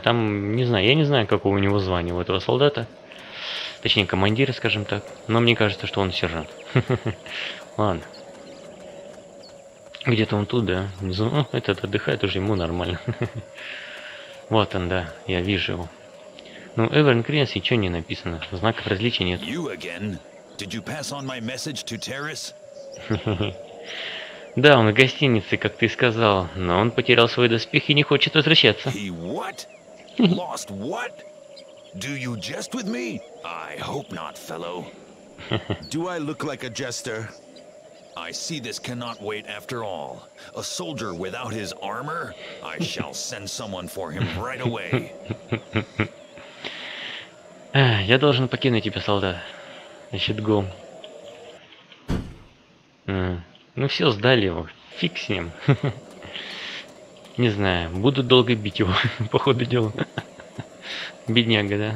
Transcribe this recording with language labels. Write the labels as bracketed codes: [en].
[ru] Там, не знаю, я не знаю, какого у него звания у этого солдата. Точнее, командира, скажем так. Но мне кажется, что он сержант. Ладно. Где-то он тут, да? Внизу. О, этот отдыхает уже, ему нормально. Вот он, да, я вижу его. Ну, Эверн Кринс, ничего не написано. Знаков различия нет. [en] You again? Did you pass on my message to Terrace? [ru] Да, он в гостинице, как ты сказал, но он потерял свой доспех и не хочет возвращаться. [en] He what? Lost what? Do you jest with me? I hope not, fellow. Do I look like a jester? I see this cannot wait after all. A soldier without his armor? I shall send someone for him right away. [ru] Я должен покинуть тебя, солдат. Значит, гом. Ну все, сдали его. Фиг с ним. Не знаю, буду долго бить его, по ходу дела. Бедняга, да?